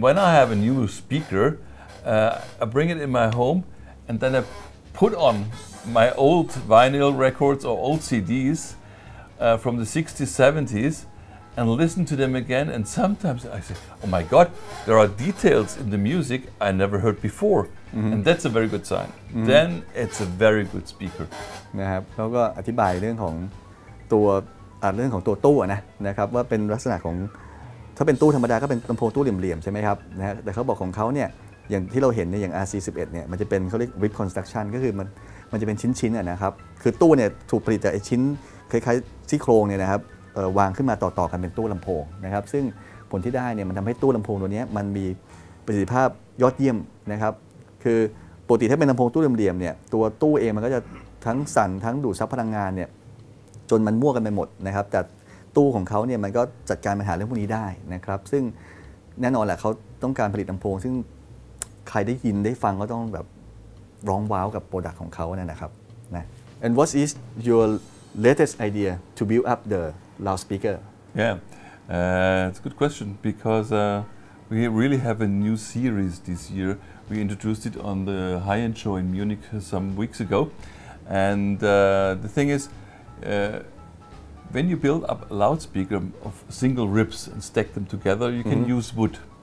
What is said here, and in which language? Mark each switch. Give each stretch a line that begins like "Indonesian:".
English: When I have a new speaker, I bring it in my home and then I put on my old vinyl records or old CDs from the 60s, 70s, and listen to them again, and sometimes I say, oh my God, there are details in the music I never heard before. Mm-hmm. And that's a very good sign. Mm-hmm. Then it's a very good speaker.
Thai: นะครับเขาก็อธิบายเรื่องของตัวเรื่องของตัวตู้นะนะครับว่าเป็นลักษณะของถ้าเป็นตู้ธรรมดาก็เป็นลำโพงตู้เหลี่ยมๆใช่ไหมครับนะฮะแต่เขาบอกของเขาเนี่ยอย่างที่เราเห็นเนี่ยอย่าง RC11 เนี่ยมันจะเป็นเขาเรียก rib construction ก็คือ มันจะเป็นชิ้นๆ นะครับคือตู้เนี่ยถูกผลิตจากไอ้ชิ้นคล้ายๆซี่โครงเนี่ยนะครับวางขึ้นมาต่อๆกันเป็นตู้ลำโพงนะครับซึ่งผลที่ได้เนี่ยมันทำให้ตู้ลำโพงตัวนี้มันมีประสิทธิภาพยอดเยี่ยมนะครับคือปกติถ้าเป็นลำโพงตู้เหลี่ยมๆเนี่ยตัวตู้เองมันก็จะทั้งสั่นทั้งดูดซับพลังงานเนี่ย จนมันมั่วกันไปหมดนะครับแต่ตู้ของเขาเนี่ยมันก็จัดการปัญหาเรื่องพวกนี้ได้นะครับซึ่งแน่นอนแหละเขาต้องการผลิตลำโพงซึ่งใครได้ยินได้ฟังก็ต้องแบบร้องว้าวกับโปรดักต์ของเขาเนี่ยนะครับนะ
English: And what is your latest idea to build up the loudspeaker? Yeah, it's a good question because we really have a new series this year. We introduced it on the high-end show in Munich some weeks ago. And the thing is, when you build up a loudspeaker of single ribs and stack them together, you can use wood.